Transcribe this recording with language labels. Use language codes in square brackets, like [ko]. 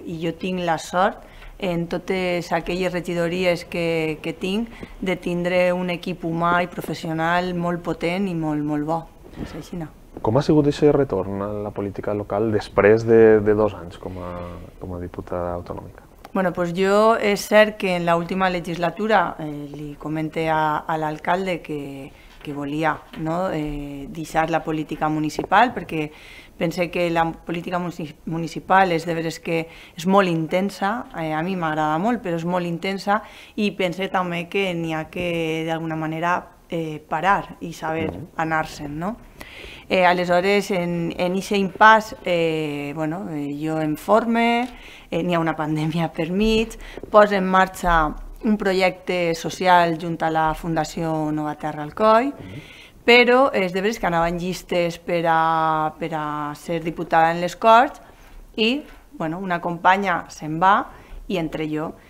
[ca] I jo tinc la sort en totes aquelles regidories que tinc de tindre un equip humà i professional molt potent i molt, molt bo. És així, no? Com ha sigut aquest retorn a la política local després de 2 anys com a diputada autonòmica? [es] Bueno, pues yo es cierto que en la última legislatura le comenté al alcalde que volía, ¿no?, dejar la política municipal, porque pensé que la política municipal es de ver es que es muy intensa, a mí me agrada mucho, pero es muy intensa, y pensé también que tenía que de alguna manera parar y saber anarse, ¿no? [ca] Aleshores, [es] en ese [ca] impàs, jo em forme, n'hi ha una pandèmia per mig, poso en marxa un projecte social junt a la Fundació Nova Terra al Coll, però és de veres que anaven llistes per a ser diputada en les Corts i, bueno, una companya se'n va i entre jo.